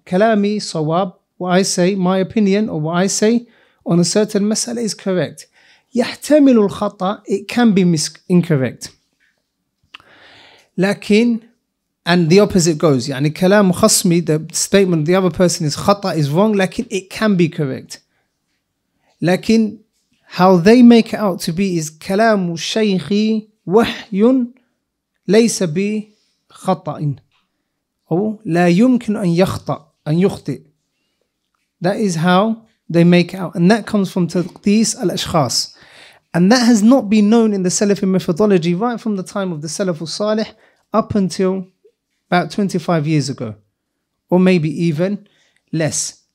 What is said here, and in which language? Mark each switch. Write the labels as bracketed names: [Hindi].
[Arabic] Kalami sawab, [English] what I say, my opinion, or what I say on a certain mas'ala is correct. [Arabic] يَحْتَمِلُ الْخَطَأَ, [English] it can be incorrect. [Arabic] لكن, [English] and the opposite goes, [Arabic] يعني كلام خصمي, [English] the statement of the other person is [Arabic] خطأ, [English] is wrong, لكن it can be correct. [Arabic] لكن [English] how they make it out to be is [Arabic] كلام الشيخي وحي ليس بخطأ أو لا يمكن أن يخطأ, أن يخطئ. [English] That is how they make it out. And that comes from [Arabic] تقديس الأشخاص. [English] And that has not been known in the Salafi methodology right from the time of the Salaf al-Salih up until about 25 years ago, or maybe even less.